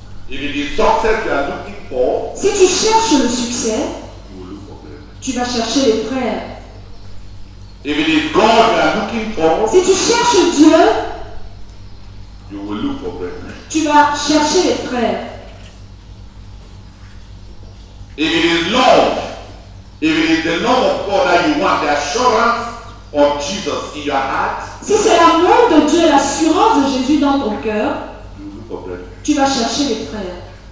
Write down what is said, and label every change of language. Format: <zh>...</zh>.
<en>If it is success you are looking for,</en> <fr>si tu cherches le succès, tu vas chercher les frères.</fr> <en>If it is God you are looking for,</en> <fr>si tu cherches Dieu,</fr> <en>you will look for them.</en> <fr>Tu vas chercher les frères.</fr> <en>If it is love, if it is the love of God that you want, the assurance of Jesus in your heart,</en> <fr>si c'est l'amour de Dieu, l'assurance de Jésus dans ton cœur, tu vas chercher les frères.</fr>